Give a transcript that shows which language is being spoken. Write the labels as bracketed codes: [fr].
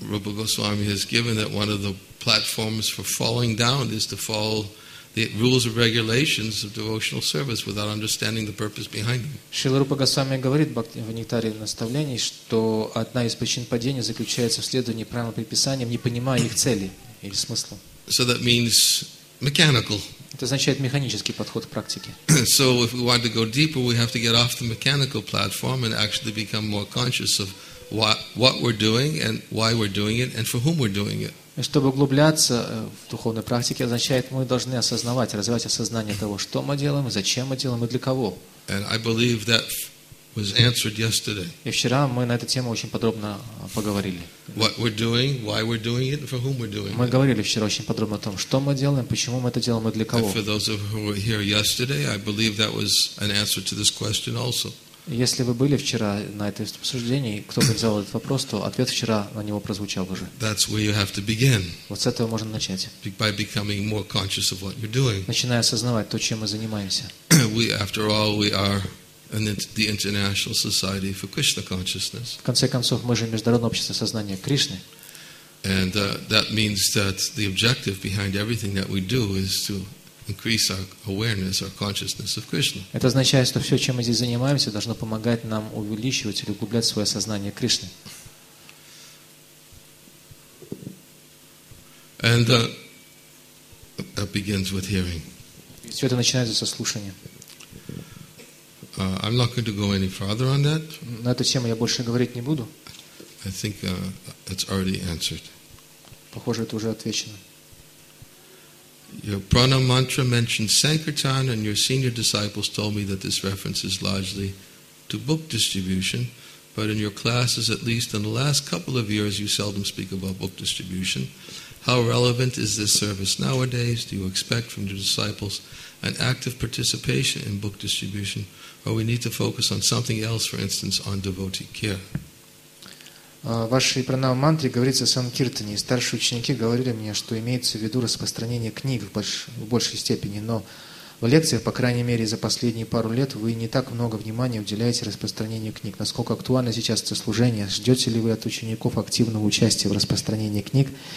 [en] Rupa Goswami has given that one of the platforms for falling down is to fall the rules and regulations of devotional service without understanding the purpose behind them. [ru] Шрила Рупа Госвами говорит в Нектаре наставлений, что одна из причин падения заключается в следовании правилам предписаниям, не понимая их цели или смысла. [en] So that means mechanical. [ru] Это означает механический подход к практике. [en] So if we want to go deeper, we have to get off the mechanical platform and actually become more conscious of what we're doing and why we're doing it and for whom we're doing it. [ru] Чтобы углубляться в духовной практике, означает, мы должны осознавать, развивать осознание того, что мы делаем, зачем мы делаем и для кого. [en] And I believe that was answered yesterday. [ru] И вчера мы на эту тему очень подробно поговорили. [en] What we're doing, why we're doing it, and for whom we're doing it. [ru] Мы говорили вчера очень подробно о том, что мы делаем, почему мы это делаем и для кого. [en] And for those of you who were here yesterday, I believe that was an answer to this question also. [ru] Если вы были вчера на этом обсуждении, кто бы задал этот вопрос, то ответ вчера на него прозвучал уже. [en] That's where you have to begin. [ru] Вот с этого можно начать. [en] By becoming more conscious of what you're doing. [ru] Начиная осознавать то, чем мы занимаемся. [en] We, after all, we are the International Society for Krishna Consciousness. [ru] В конце концов, мы же Международное общество сознания Кришны. [en] And that means that the objective behind everything that we do is to increase our awareness, our consciousness of Krishna. [ru] Это означает, что все, чем мы здесь занимаемся, должно помогать нам увеличивать или углублять свое сознание Кришны. [en] And that begins with hearing. [ru] Все это начинается со слушания. [en] I'm not going to go any further on that. [ru] На эту тему я больше говорить не буду. [en] I think it's already answered. [ru] Похоже, это уже отвечено. [en] Your prana mantra mentioned sankirtan, and your senior disciples told me that this reference is largely to book distribution. But in your classes, at least in the last couple of years, you seldom speak about book distribution. How relevant is this service nowadays? Do you expect from your disciples an active participation in book distribution, or we need to focus on something else, for instance, on devotee care? [ru] В вашей пранава-мантре говорится о санкиртане, и старшие ученики говорили мне, что имеется в виду распространение книг в большей степени, но в лекциях, по крайней мере, за последние пару лет вы не так много внимания уделяете распространению книг. Насколько актуально сейчас это служение? Ждете ли вы от учеников активного участия в распространении книг?